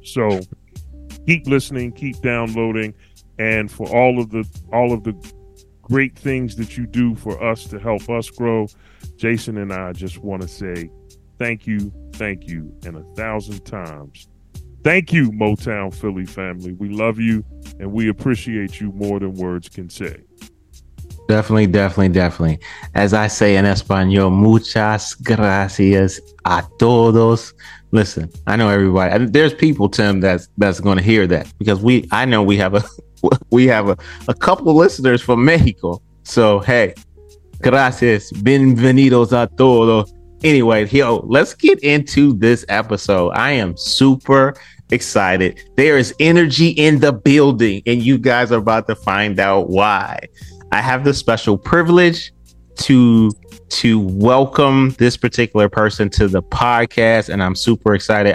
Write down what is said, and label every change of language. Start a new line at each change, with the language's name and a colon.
English: So keep listening, keep downloading, and for all of the great things that you do for us to help us grow, Jason and I just want to say thank you, and 1,000 times thank you, Motown Philly family. We love you, and we appreciate you more than words can say. Definitely, definitely, definitely. As I say in Espanol,
Spanish: muchas gracias a todos.
English: Listen, I know everybody. There's people, Tim, that's going to hear that because we have a couple of listeners from Mexico. So, hey,
Spanish: gracias, bienvenidos a todos.
English: Anyway, yo, let's get into this episode. I am super excited. There is energy in the building, and you guys are about to find out why. I have the special privilege to welcome this particular person to the podcast, and I'm super excited.